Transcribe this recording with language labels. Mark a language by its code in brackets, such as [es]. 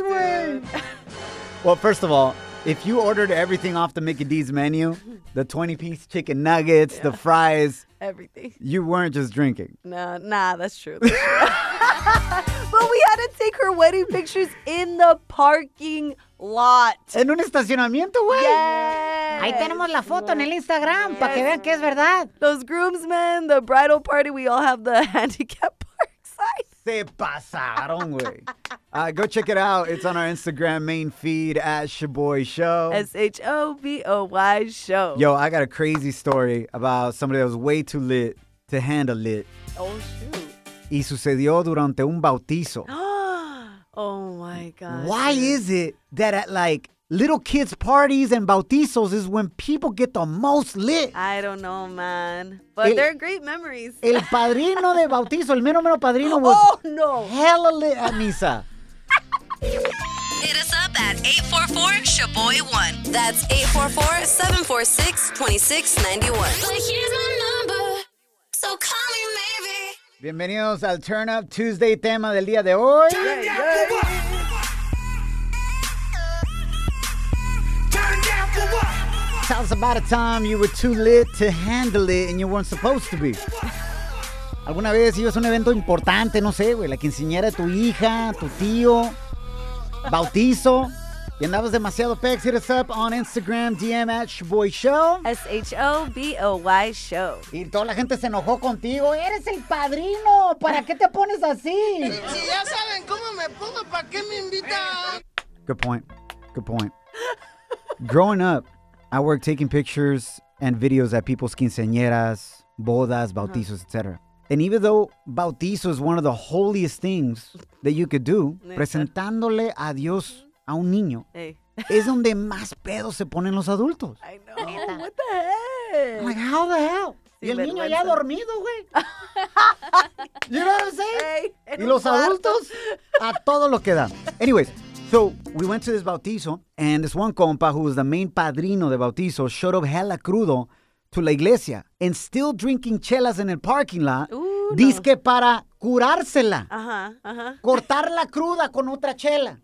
[en] way. Well, first of all, if you ordered everything off the Mickey D's menu, the 20-piece chicken nuggets, yeah, the fries, everything, you weren't just drinking. Nah, that's true. But we had to take her wedding pictures in the parking lot. [es] En un estacionamiento, güey. [en] Yes. [es] Ahí tenemos la foto en el Instagram, yes, para que vean que es verdad. [en] Those groomsmen, the bridal party, we all have the handicap park sign. [es] Se pasaron, güey. [en] Go check it out. It's on our Instagram main feed at Shaboy Show. S-H-O-B-O-Y Show. Yo, I got a crazy story about somebody that was way too lit to handle lit. Oh, shoot. [es] Y sucedió durante un bautizo. [en] Oh, my God. Why is it that at like little kids' parties and bautizos is when people get the most lit. I don't know, man. But they're great memories. [es] El padrino de bautizo, el mero mero padrino, [en] was hella lit at Misa. Hit us up at 844-SHABOY1. That's 844-746-2691. But here's my number, so call me maybe. [es] Bienvenidos al Turn Up Tuesday tema del día de hoy. [en] Tell us about a time you were too lit to handle it and you weren't supposed to be. [es] ¿Alguna vez ibas a un evento importante, no sé, güey, la quinceañera de tu hija, tu tío, bautizo, y andabas demasiado pex? [en] Hit us up on Instagram, DM at Shaboy Show. S-H-O-B-O-Y Show. [es] Y toda la gente se enojó contigo. ¡Eres el padrino! ¿Para qué te pones así? Si ya saben cómo me pongo, ¿para qué me invitan? [en] Good point. Good point. Growing up, I worked taking pictures and videos at people's quinceañeras, bodas, bautizos, etc. And even though bautizo is one of the holiest things that you could do, [es] presentándole a Dios a un niño, es donde más pedos se ponen los adultos. [en] I know. What the heck? I'm like, how the hell? [es] Y el niño ya dormido, güey. [en] You know what I'm saying? [es] Y los adultos a todo lo que dan. [en] Anyways. So, we went to this bautizo, and this one compa, who was the main padrino de bautizo, showed up hella crudo to la iglesia, and still drinking chelas in the parking lot, [es] dizque para curársela, cortar la cruda con otra chela.